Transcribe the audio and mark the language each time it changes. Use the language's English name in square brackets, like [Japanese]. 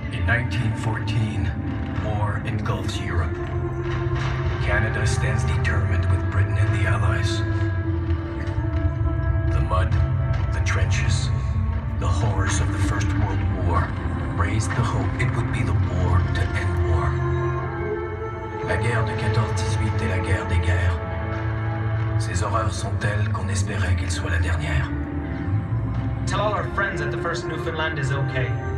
[English] 1914, war engulfs Europe. Canada stands determined with Britain and the Allies. The mud, the trenches, the horrors of the First World War raised the hope it would be the war to end war. [French] La guerre de 14-18 est la guerre des guerres. Ces horreurs sont telles qu'on espérait qu'il soit la dernière. [English] Tell all our friends that the First Newfoundland is okay.